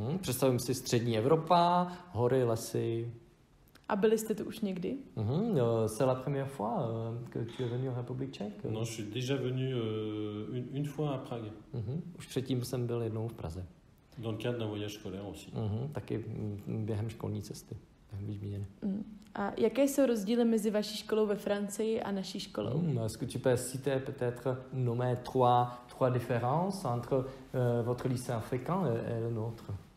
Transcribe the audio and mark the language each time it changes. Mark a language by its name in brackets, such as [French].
[Czech] Představím si střední Evropa, hory, lesy. A byli jste tu už někdy? [French] C'est la première fois que tu es venu en République tchèque? Non, je suis déjà venu une fois à Prague. [Czech] Už předtím jsem byl jednou v Praze. [French] Dans le cadre d'un voyage scolaire aussi. [Czech] Taky během školní cesty. A jaké jsou rozdíly mezi vaší školou ve Francii a naší školou? [French] Est-ce que tu peux citer peut-être nommer trois différences entre votre lycée africain et le nôtre?